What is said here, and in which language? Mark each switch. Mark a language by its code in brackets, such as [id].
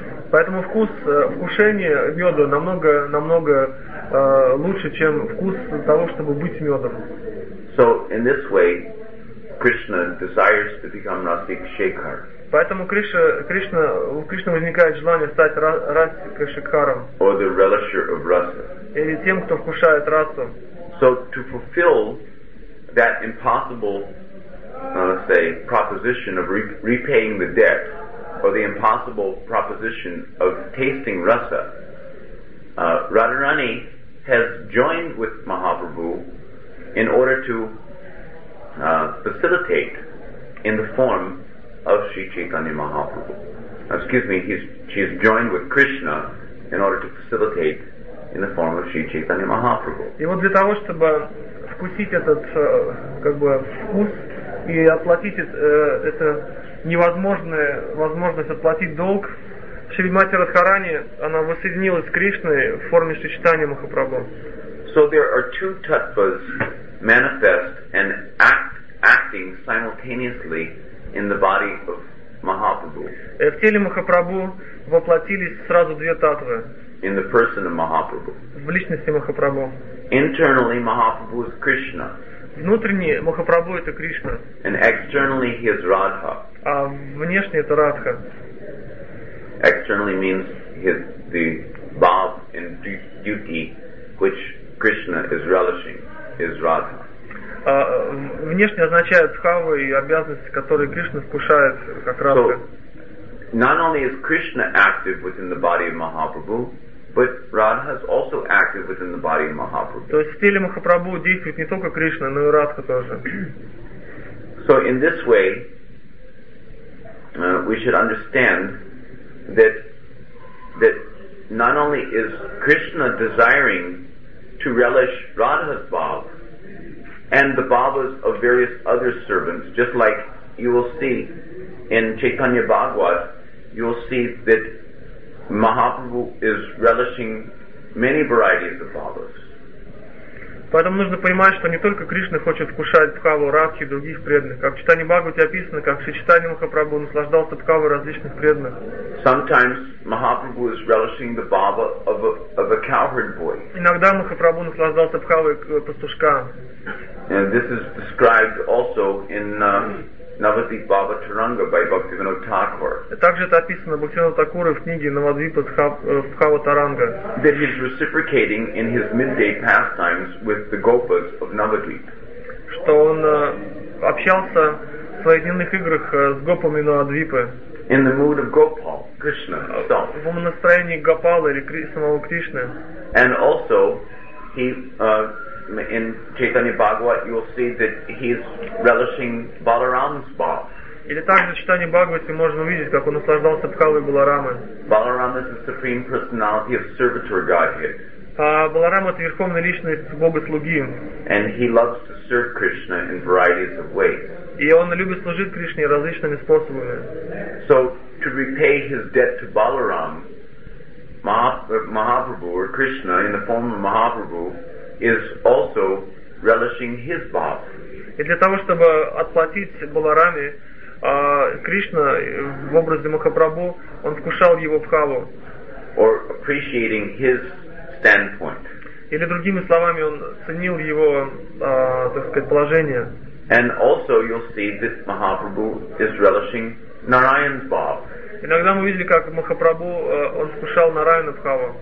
[ru] Поэтому вкус вкушения меда намного намного лучше, чем вкус того, чтобы быть медом. [en] So in this way, Krishna desires to become Rasik Shekhar. [ru] Поэтому у Кришны возникает желание стать Расика Шекхаром. [en] Or the relisher of rasa. [ru] Или тем, кто вкушает расу. [en] So to fulfill that impossible, say, proposition of repaying the debt, or the impossible proposition of tasting rasa, Radharani has joined with Mahaprabhu in order to facilitate in the form of Sri Chaitanya Mahaprabhu. She's joined with Krishna in order to facilitate in the form of Sri Chaitanya Mahaprabhu. [ru] И вот для того, чтобы вкусить этот как бы вкус и оплатить это невозможное возможность оплатить долг, Шримати Радхарани, она воссоединилась с Кришной в форме Шри Чайтанья Махапрабху. [en] So there are two tattvas manifest and acting simultaneously in the body of Mahaprabhu. [ru] В теле Махапрабху воплотились сразу две таттвы. [en] In the person of Mahaprabhu. [ru] В личности Махапрабху. [en] Internally, Mahaprabhu is Krishna. [ru] Внутренне Махапрабху это Кришна. [en] And externally, he is Radha. [ru] А внешне это Радха. [en] Externally means his the bhav and duty which Krishna is relishing is Radha. [ru] Внешне означает бхава и обязанности, которые Кришна вкушает как Радха. [en] So, not only is Krishna active within the body of Mahaprabhu, but Radha is also active within the body of Mahaprabhu. [ru] То есть в теле Махапрабху действует не только Кришна, но и Радха тоже. [en] So in this way, we should understand that not only is Krishna desiring to relish Radha's bhava and the bhavas of various other servants, just like you will see in Chaitanya Bhagavat, you will see that Mahaprabhu is relishing many varieties of bhavas. [ru] Поэтому нужно понимать, что не только Кришна хочет вкушать бхаву Радхи и других преданных. Как в Читании Бхагавате описано, как Шри Чайтанья Махапрабху наслаждался бхавой различных преданных. [en] Sometimes Mahaprabhu is relishing the bhava of a cowherd boy. [ru] Иногда Махапрабху наслаждался бхавой пастушка. [en] And this is described also in Navadvip Bhavataranga by Bhaktivinoda Thakur. [ru] Также это описано Бхактивинода Такура в книге Навадвип Бхавотаранга. [en] That he is reciprocating in his midday pastimes with the gopas of Navadvip. [ru] Что он общался в своих дневных играх с гопами Навадвипа. [en] In the mood of Gopal, Krishna himself. [ru] В настроении Гопала или самого Кришны. [en] And also, he in Chaitanya Bhagavat, you will see that he is relishing Balaram's bhav. [ru] Или также в Читании Бхагавате можно увидеть, как он наслаждался бхавой Баларамы. [en] Balaram is the supreme personality of servitor Godhead. [ru] Баларам это верховная личность Бога слуги. [en] And he loves to serve Krishna in varieties of ways. [ru] И он любит служить Кришне различными способами. [en] So to repay his debt to Balaram, Mahaprabhu or Krishna in the form of Mahaprabhu is also relishing his bhav. [ru] И для того, чтобы отплатить Баларами, Кришна в образе Махапрабху, он вкушал его бхаву. [en] Or appreciating his standpoint. [ru] Или другими словами, он ценил его, так сказать, положение. [en] And also you'll see that Mahaprabhu is relishing Narayan's bhav. [ru] Иногда мы видели, как Махапрабху, он вкушал Нараяна бхаву.